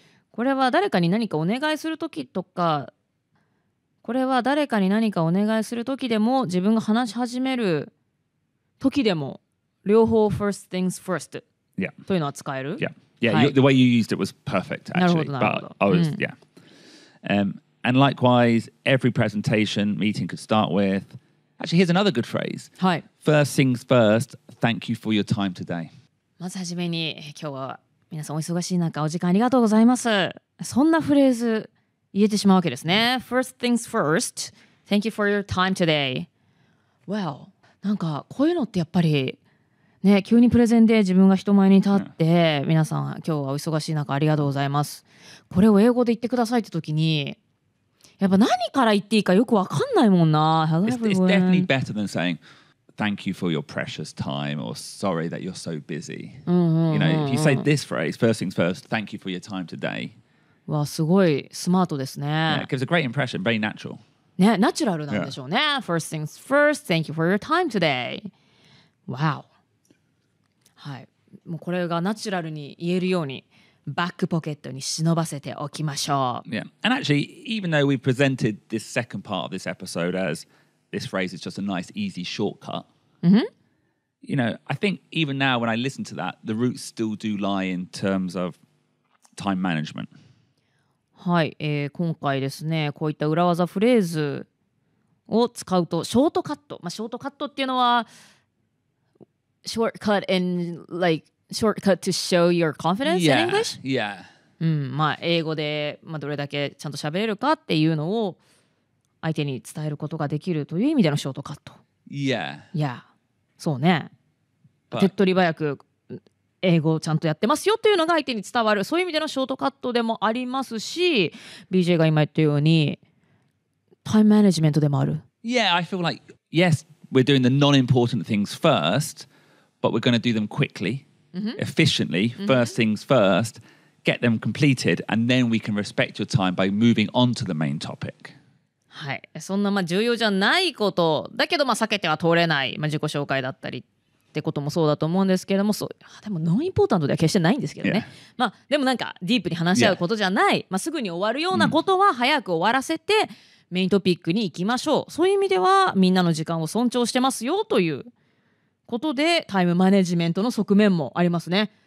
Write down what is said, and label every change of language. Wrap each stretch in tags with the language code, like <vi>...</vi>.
<ja>これは誰かに何かお願いするときとか、これは誰かに何かお願いするときでも、自分が話し始めるときでも、両方 first things first、</ja> <en>yeah.</en> <ja>というのは使える</ja> <en>Yeah. Yeah,、はい、the way you used it was perfect, actually.</en> <ja>なるほど、</ja> <en>But I was,、うん、yeah.、And likewise, every presentation meeting could start with... Actually, here's another good phrase.、はい、 first things first, thank you for your time today.</en> <ja>まずはじめに、今日は皆さんお忙しい中お時間ありがとうございます。そんなフレーズ、言えてしまうわけですね。</ja> <en>First things first. Thank you for your time today.</en> <ja>Well, なんかこういうのってやっぱりね、急にプレゼンで自分が人前に立って、皆さん今日はお忙しい中ありがとうございます。これを英語で言ってくださいって時に、やっぱ何から言っていいかよくわかんないもんな。</ja> <en>Hello, everyone. It's definitely better than saying thank you for your precious time or sorry that you're so busy. You know, if you say this phrase, first things first, thank you for your time today.</en> <ja>わすごいスマートですね。</ja> <en>Yeah, it gives a great impression, very natural.</en> <ja>ね、ナチュラルなんでしょうね。</ja> <en>Yeah. First things first, thank you for your time today. Wow. はい。</en> <ja>もうこれがナチュラルに言えるように、バックポケットに忍ばせておきましょう。</ja> <en>Yeah. And actually, even though we presented this second part of this episode as this phrase is just a nice, easy shortcut,、 mm-hmm. you know, I think even now when I listen to that, the roots still do lie in terms of time management.</en> <ja>はい、今回ですねこういった裏技フレーズを使うとショートカット、まあ、ショートカットっていうのは</ja> <en>shortcut in like shortcut to show your confidence yeah, in English? Yeah.</en> <ja>うん、まあ英語で、まあ、どれだけちゃんと喋れるかっていうのを相手に伝えることができるという意味でのショートカット。</ja> <en>Yeah.</en> <ja>Yeah. そうね。 But... 手っ取り早く英語をちゃんとやってますよっていうのが相手に伝わる、そういう意味でのショートカットでもありますし、 BJ が今言ったようにタイムマネジメントでもある。</ja> <en>Yeah, I feel like yes, we're doing the non-important things first, but we're going to do them quickly, efficiently, first things first, get them completed, and then we can respect your time by moving on to the main topic.</en> <ja>はい、そんなまあ重要じゃないことだけど、まあ避けては通れない、まあ、自己紹介だったりってこともそうだと思うんですけれども、そうでもノンインポータントでは決してないんですけどね、yeah. まあでもなんかディープに話し合うことじゃない、yeah. まあ、すぐに終わるようなことは早く終わらせてメイントピックに行きましょう、そういう意味ではみんなの時間を尊重してますよということでタイムマネジメントの側面もありますね。</ja>